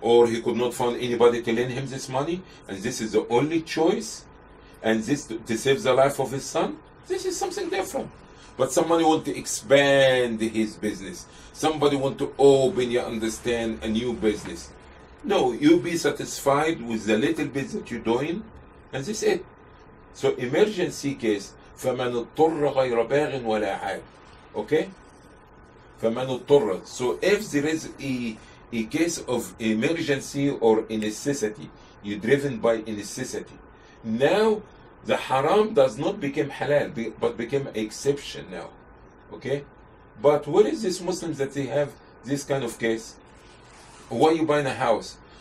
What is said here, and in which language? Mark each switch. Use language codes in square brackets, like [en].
[en] Or he could not find anybody to lend him this money, and this is the only choice, and this to save the life of his son. This is something different. But somebody want to expand his business. Somebody want to open, you understand, a new business. No, you be satisfied with the little business you're doing, and this is it. So emergency case, [ar] فَمَنُ اضطُرَّ غَيْرَ بَاغٍ وَلَا عَادٍ. [en] Okay? [ar] فَمَنُ اضطُرَّ. [en] So if there is a case of emergency or a necessity, you're driven by a necessity. Now, the haram does not become halal, but become exception now, okay? But what is this Muslim that they have this kind of case? Why are you buying a house?